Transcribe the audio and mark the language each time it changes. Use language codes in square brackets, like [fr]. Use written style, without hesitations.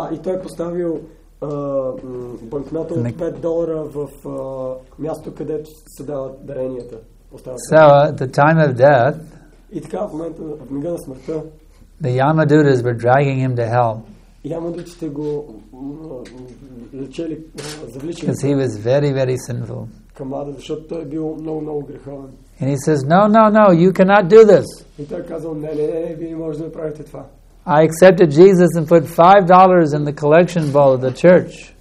[bg] И той поставил банкнота от $5 в място, където се дават даренията. [en] So, at the time of death, [bg] и така, в момента, в мига на смъртта, [en] the Yamadutas were dragging him to hell. [bg] Ямадутите го лечели, завличали. [en] Because he was very, very sinful. [bg] Към ада, защото той е бил много, много греховен. [en] And he says, no, you cannot do this. [bg] И той казал, не, вие не можете да правите това. [en] I accepted Jesus and put $5 in the collection bowl of the church.